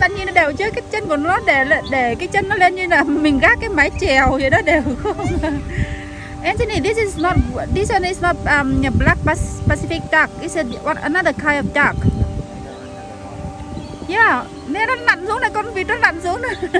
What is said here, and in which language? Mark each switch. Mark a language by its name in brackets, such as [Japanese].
[Vietnamese] Bạn nhìn nó đều chứ, cái chân của nó để cái chân nó lên như là mình gác cái mái chèo vậy đó, đều không. [English] Anthony, this one is not a black Pacific duck. It's another kind of duck. [Vietnamese] Yeah, nè nó lặn xuống này, con vịt nó lặn xuống này.